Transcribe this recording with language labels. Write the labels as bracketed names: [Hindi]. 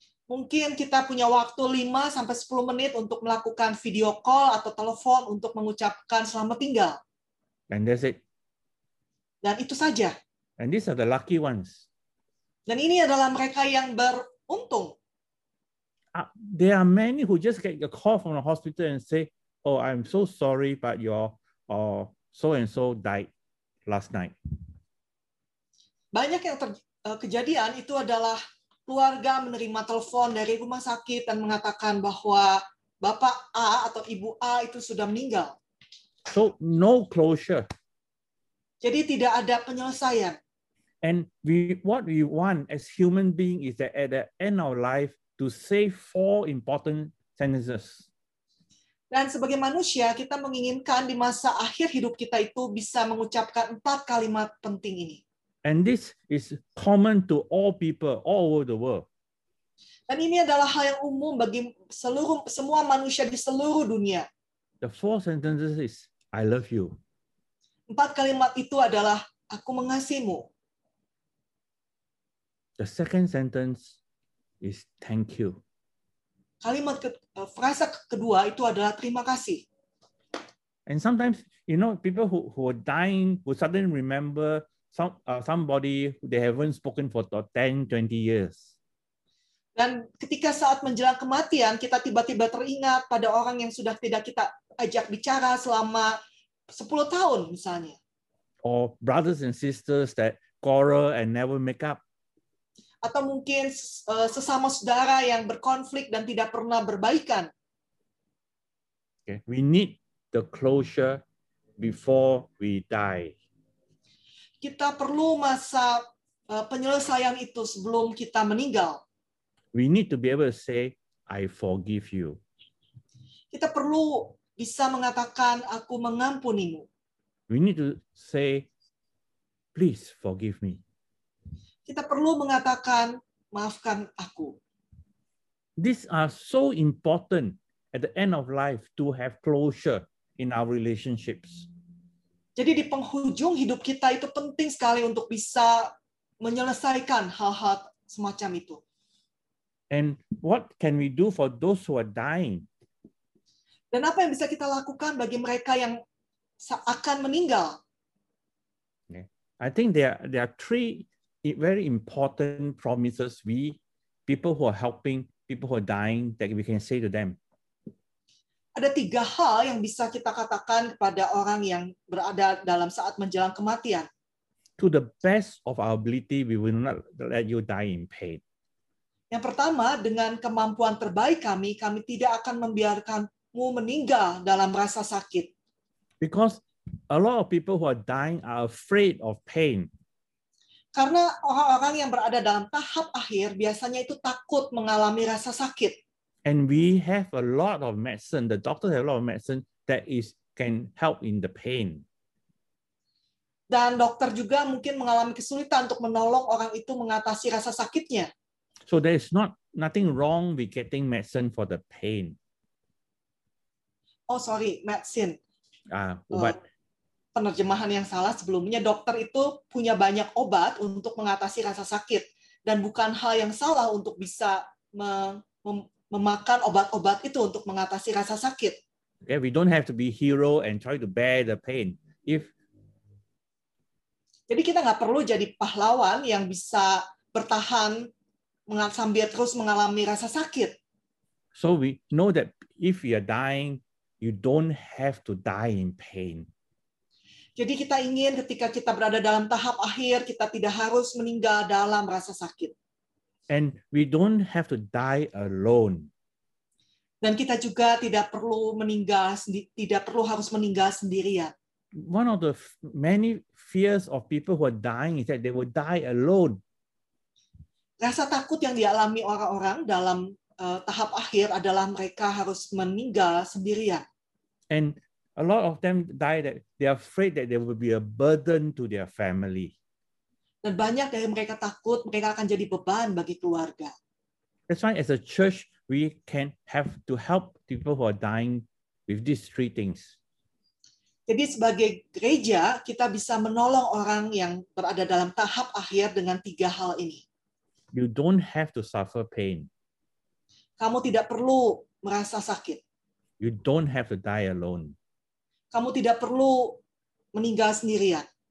[Indonesian] Mungkin kita punya waktu 5-10 menit untuk melakukan video call atau telepon untuk mengucapkan selamat tinggal. [English] And that's it. [Indonesian] Dan itu saja. [English] And these are the lucky ones. [Indonesian] Dan ini adalah mereka yang beruntung. [English] There are many who just get a call from the hospital and say, oh, I'm so sorry, but your so-and-so died last night. [Indonesian] Banyak yang kejadian itu adalah keluarga menerima telepon dari rumah sakit dan mengatakan bahwa Bapak A atau Ibu A itu sudah meninggal. [English] So, no closure. [Indonesian] Jadi tidak ada penyelesaian. [English] And what we want as human being is that at the end of life, to say 4 important sentences. [Indonesian] Dan sebagai manusia, kita menginginkan di masa akhir hidup kita itu bisa mengucapkan 4 kalimat penting ini. [English] And this is common to all people all over the world. [Indonesian] Dan ini adalah hal yang umum bagi seluruh semua manusia di seluruh dunia. [English] The four sentences is I love you. [Indonesian] Empat kalimat itu adalah aku mengasihimu. [English] The second sentence is thank you. [Indonesian] Kalimat frasa kedua itu adalah terima kasih. [English] And sometimes you know people who are dying who suddenly remember somebody they haven't spoken for 10-20 years. [Indonesian] Dan ketika saat menjelang kematian kita tiba-tiba teringat pada orang yang sudah tidak kita ajak bicara selama 10 tahun misalnya. [English] Or brothers and sisters that quarrel and never make up. [Indonesian] Atau mungkin sesama saudara yang berkonflik dan tidak pernah berbaikan. [English] Okay, we need the closure before we die. [Indonesian] Kita perlu masa penyelesaian itu sebelum kita meninggal. [English] We need to be able to say, I forgive you. [Indonesian] Kita perlu bisa mengatakan, aku mengampunimu. [English] We need to say, please forgive me. [Indonesian] Kita perlu mengatakan, maafkan aku. [English] These are so important at the end of life to have closure in our relationships. [Indonesian] Jadi di penghujung hidup kita itu penting sekali untuk bisa menyelesaikan hal-hal semacam itu. [English] And what can we do for those who are dying? [Indonesian] Dan apa yang bisa kita lakukan bagi mereka yang akan meninggal? [English] I think there are three very important promises we people who are helping people who are dying that we can say to them. [Indonesian] Ada tiga hal yang bisa kita katakan kepada orang yang berada dalam saat menjelang kematian. [English] To the best of our ability, we will not let you die in pain. [Indonesian] Yang pertama, dengan kemampuan terbaik kami, kami tidak akan membiarkanmu meninggal dalam rasa sakit. [English] Because a lot of people who are dying are afraid of pain. [Indonesian] Karena orang-orang yang berada dalam tahap akhir biasanya itu takut mengalami rasa sakit. [English] And we have a lot of medicine. The doctors have a lot of medicine that is can help in the pain. [Indonesian] Dan dokter juga mungkin mengalami kesulitan untuk menolong orang itu mengatasi rasa sakitnya. [English] So there is nothing wrong with getting medicine for the pain. Oh, sorry, medicine. [Indonesian] Obat. Penerjemahan yang salah sebelumnya, dokter itu punya banyak obat untuk mengatasi rasa sakit dan bukan hal yang salah untuk bisa memakan obat-obat itu untuk mengatasi rasa sakit. [English] Yeah, we don't have to be hero and try to bear the pain. [Indonesian] Jadi kita nggak perlu jadi pahlawan yang bisa bertahan sambil terus mengalami rasa sakit. [English] So we know that if you are dying, you don't have to die in pain. [Indonesian] Jadi kita ingin ketika kita berada dalam tahap akhir, kita tidak harus meninggal dalam rasa sakit. [English] And we don't have to die alone. [Indonesian] Dan kita juga tidak perlu harus meninggal sendirian. [English] One of the many fears of people who are dying is that they will die alone. [Indonesian] Rasa takut yang dialami orang-orang dalam tahap akhir adalah mereka harus meninggal sendirian. [English] And a lot of them die that they are afraid that there will be a burden to their family. [Indonesian] Dan banyak dari mereka takut mereka akan jadi beban bagi keluarga. [English] That's why as a church we can have to help people who are dying with these three things. [Indonesian] Jadi sebagai gereja kita bisa menolong orang yang berada dalam tahap akhir dengan tiga hal ini. [English] You don't have to suffer pain. [Indonesian] Kamu tidak perlu merasa sakit. [English] You don't have to die alone. [Indonesian] Kamu tidak perlu meninggal sendirian.